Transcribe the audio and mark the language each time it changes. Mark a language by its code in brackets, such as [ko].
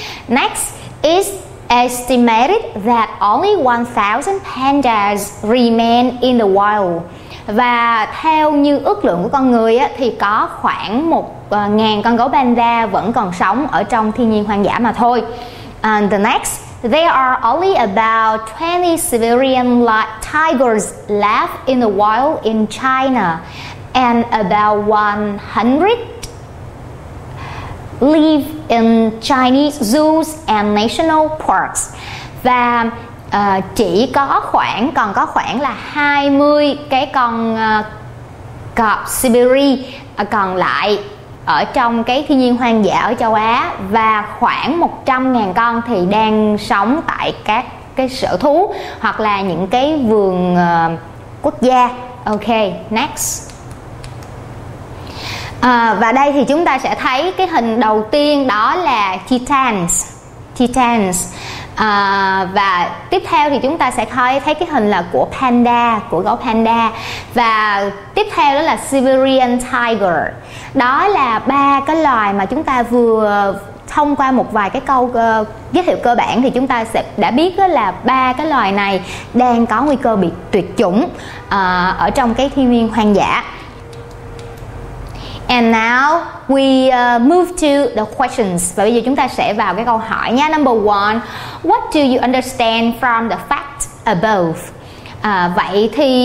[en] Next, it's estimated that only 1,000 pandas remain in the wild. [vi] Và theo như ước lượng của con người á thì có khoảng 1,000 con gấu panda vẫn còn sống ở trong thiên nhiên hoang dã mà thôi. [en] And the next, there are only about 20 Siberian tigers left in the wild in China and about 100 live in Chinese zoos and national parks. [vi] Và chỉ có khoảng còn có khoảng là 20 cái con cọp Siberia còn lại ở trong cái thiên nhiên hoang dã ở châu Á, và khoảng 100.000 con thì đang sống tại các cái sở thú hoặc là những cái vườn quốc gia. [en] Ok, next. [vi] Và đây thì chúng ta sẽ thấy cái hình đầu tiên, đó là titans. Và tiếp theo thì chúng ta sẽ thấy cái hình là của panda, của gấu panda, và tiếp theo đó là Siberian tiger. Đó là ba cái loài mà chúng ta vừa thông qua một vài cái câu giới thiệu cơ bản thì chúng ta sẽ đã biết đó là ba cái loài này đang có nguy cơ bị tuyệt chủng ở trong cái thiên nhiên hoang dã. [en] And now we move to the questions. [vi] Và bây giờ chúng ta sẽ vào cái câu hỏi nha. [en] Number one, what do you understand from the fact above? [vi] Vậy thì